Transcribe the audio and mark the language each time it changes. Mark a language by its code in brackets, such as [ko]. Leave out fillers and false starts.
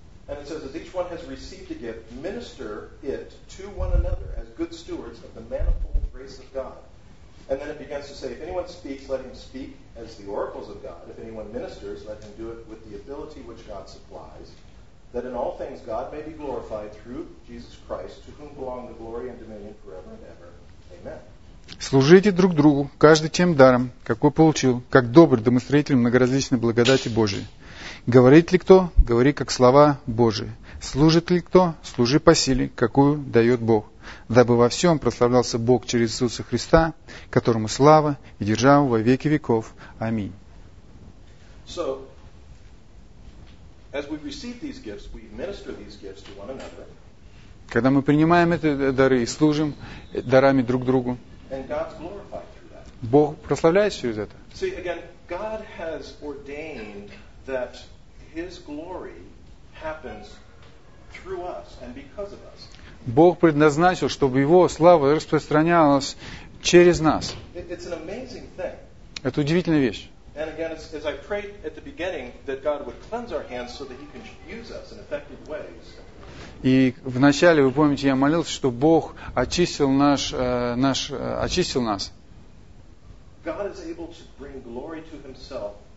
[en] And it says, as each one has received a gift, minister it to one another as good stewards of the manifold grace of God. And then it begins to say, if anyone speaks, let him speak as the oracles of God. If anyone ministers, let him do it with the ability which God supplies, that in all things God may be glorified through Jesus Christ, to whom belong the glory and dominion forever and ever. Amen. [ru] Служите друг другу, каждый тем даром, какой получил, как добрый домостроитель многоразличной благодати Божией. Говорит ли кто? Говори, как слова Божии. Служит ли кто? Служи по силе, какую дает Бог. Дабы во всем прославлялся Бог через Иисуса Христа, которому слава и держава во веки веков. Аминь. [en] So, as we receive these gifts, we administer these gifts to one another. [ru] Когда мы принимаем эти дары и служим дарами друг другу, [en] and God's glorified through that. [ru] Бог прославляется через это. [en] See, again, God has ordained that his glory happens through us and because of us. [ru] Бог предназначил, чтобы его слава распространялась через нас. [en] It's an amazing thing. [ru] Это удивительная вещь. [en] And again, as I prayed at the beginning that God would cleanse our hands so that he can use us in effective ways. [ru] И вначале, вы помните, я молился, что Бог очистил очистил нас. [en] God is able to bring glory to himself.